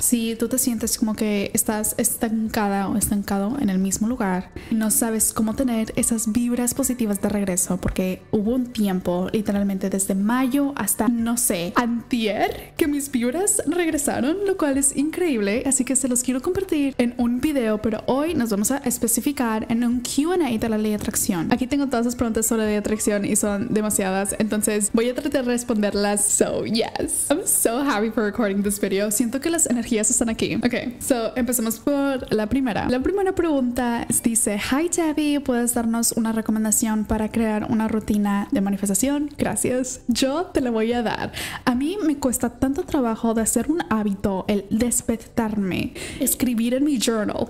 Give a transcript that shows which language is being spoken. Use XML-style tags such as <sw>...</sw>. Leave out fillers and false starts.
<es>Si tú te sientes como que estás estancada o estancado en el mismo lugar, no sabes cómo tener esas vibras positivas de regreso, porque hubo un tiempo, literalmente desde mayo hasta, no sé, antier, que mis vibras regresaron, lo cual es increíble. Así que se los quiero compartir en un video, pero hoy nos vamos a especificar en un Q&A de la ley de atracción. Aquí tengo todas las preguntas sobre la ley de atracción y son demasiadas, entonces voy a tratar de responderlas.</es> <en>So yes, I'm so happy for recording this video.</en> <es>Siento que las energías están aquí. Ok, so empecemos por la primera. La primera pregunta dice: Hi Debbie, ¿puedes darnos una recomendación para crear una rutina de manifestación? Gracias. Yo te la voy a dar. A mí me cuesta tanto trabajo de hacer un hábito el despertarme, escribir en mi journal.</es>